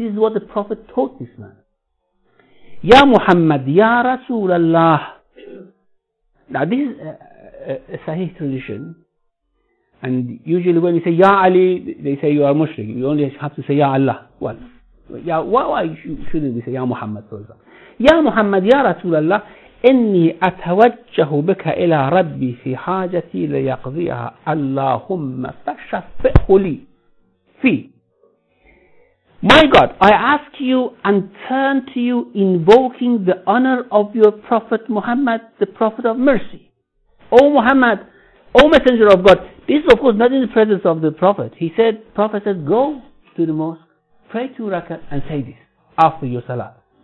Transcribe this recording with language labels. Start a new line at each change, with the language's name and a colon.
English: This is what the Prophet taught this man.
Arabic: "Ya Muhammad, Ya Rasulallah."
English: Now this is a Sahih tradition, and usually when you say Ya Ali, they say you are mushrik. You only have to say Ya Allah. Well, Ya, why shouldn't we say Ya Muhammad, for example?
Arabic: "Ya Muhammad, Ya Rasulallah, إني أتوجه بك إلى ربي في حاجتي ليقضيها اللهم فشفئه لي في."
English: "My God, I ask you and turn to you invoking the honor of your Prophet Muhammad, the Prophet of Mercy. O Muhammad, O Messenger of God." This is of course not in the presence of the Prophet. He said, Prophet said, "Go to the mosque, pray 2 rak'ah and say this after your salah.